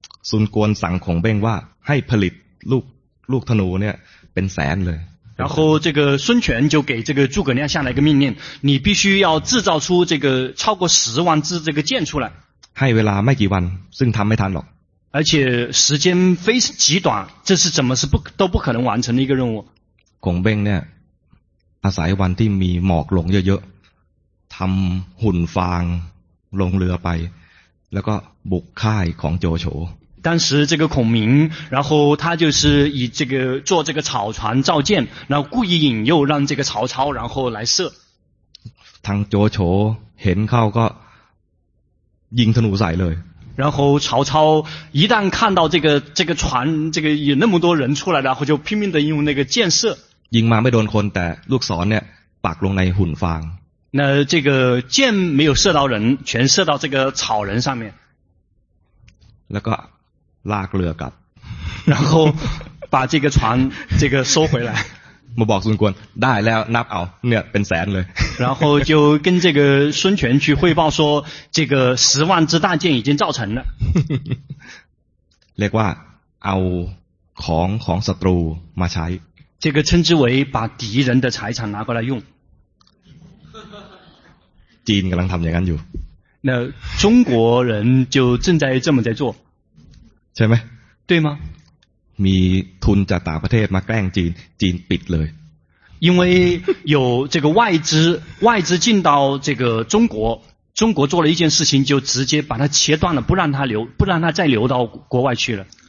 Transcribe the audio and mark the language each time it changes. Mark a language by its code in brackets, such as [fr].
[th] ซุนกวนสั่งของเบ้งว่าให้ผลิตลูกธนูเนี่ยเป็นแสนเลย [zh] 然后这个孙权就给这个诸葛亮下了一个命令，你必须要制造出这个超过十万支这个箭出来。 [th] ให้เวลาไม่กี่วันซึ่งทำไม่ทันหรอก。 [zh] 而且时间非极短，这是怎么是不都不可能完成的一个任务。 [th] 孔明呢，อาศัยวันที่มีหมอกลงเยอะๆ，ทำหุ่นฟางลงเรือไป，แล้วก็บุกค่ายของโจโฉ。 [zh] 当时这个孔明然后他就是以这个做这个草船造箭然后故意引诱让这个曹操然后来射 [th] ทางโจโฉเห็นเขาก็ยิงธนูใส่เลย [zh] 然后曹操一旦看到这个船这个有那么多人出来然后就拼命的用那个箭射 [th] ยิงมาไม่โดนคนแต่ลูกศรเนี่ยปักลงในหุ่นฟาง [zh] 那这个箭没有射到人全射到这个草人上面 [th] แล้วก็ลากเรือกลับ [zh] 然后把这个船这个收回来 [th] มาบอกซุนกวนได้แล้วนับเอาเนี่ยเป็นแสนเลย [zh] 然后就跟这个孙权去汇报说这个十万支大箭已经造成了 [th] เรียกว่าเอาของศัตรูมาใช้ [zh] 这个称之为把敌人的财产拿过来用 [th] จีนกำลังทำอย่างนั้นอยู่ [zh] 那中国人就正在这么在做 [th] ใช่ไหม [zh] 对吗 [th] มีทุนจากต่างประเทศมาแกล้งจีนจีนปิดเลย [zh] 因为有这个外资进到这个中国做了一件事情就直接把它切断了不让它再流到国外去了